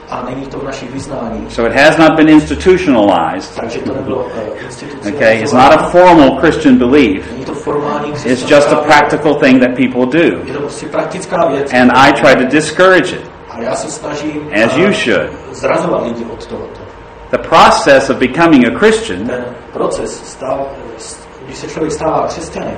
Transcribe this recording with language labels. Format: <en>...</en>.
<cs>A není to v našich vyznání.</cs> <en>So it has not been institutionalized.</en> <cs>Takže to nebylo institucionalizované.</cs> <en>Okay, it's not a formal Christian belief.</en> <cs>Není to formální křesťanství.</cs> <en>It's just a practical thing that people do.</en> <cs>Je to prostě praktická věc.</cs> <en>And I try to discourage it.</en> <cs>A já se snažím.</cs> <en>As you should.</en> <cs>Zrazovat lidi od tohoto.</cs> <en>The process of becoming a Christian.</en> <cs>Ten proces stává, když se člověk stává křesťanem.</cs>